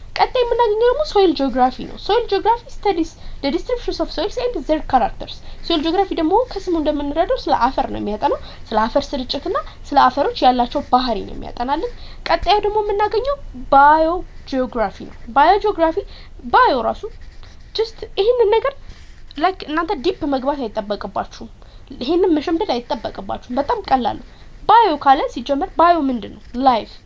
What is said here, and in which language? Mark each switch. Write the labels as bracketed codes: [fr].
[am] ቀጣይ የምናገኘው ደግሞ soil geography ነው. [en] Soil geography studies the distributions of soils and their characters. [am] Soil geography ደግሞ ከስሙ እንደምንረዳው ስለ አፈር ነው የሚያጠነው፣ ስለ አፈር ስርጭትና ስለ አፈሮች ያላቸው ባህሪ ነው የሚያጠናልን። ቀጣይ ደግሞ የምናገኘው bio geography ነው. Bio geography bio ራሱ just ይሄን ነገር like እናንተ deep መግባት አይጠበቅባችሁም፣ ይሄንን መሸምደድ አይጠበቅባችሁም። በጣም ቀላል ነው። bio ካለ ሲጀመር bio ምንድነው? life.